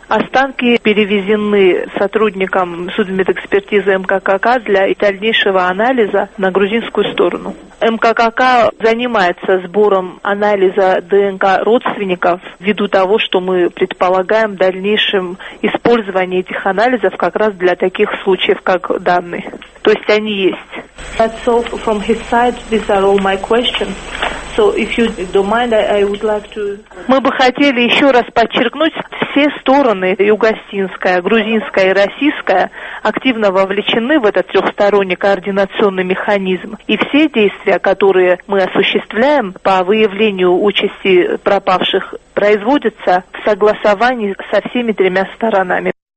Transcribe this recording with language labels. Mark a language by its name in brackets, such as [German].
[Russian] Останки перевезены сотрудникам судмедэкспертизы МККК для дальнейшего анализа на грузинскую сторону. МККК занимается сбором анализа ДНК родственников ввиду того, что мы предполагаем дальнейшим использование этих анализов как раз для таких случаев, как данный. То есть они есть. [English] That's all from his side. These are all my questions. So if you don't mind, I would like to. [Russian] Мы бы хотели еще раз подчеркнуть, все стороны, югостинская, грузинская и российская, активно вовлечены в этот трехсторонний координационный механизм. И все действия, которые мы осуществляем по выявлению участи пропавших, производятся в согласовании со всеми тремя сторонами.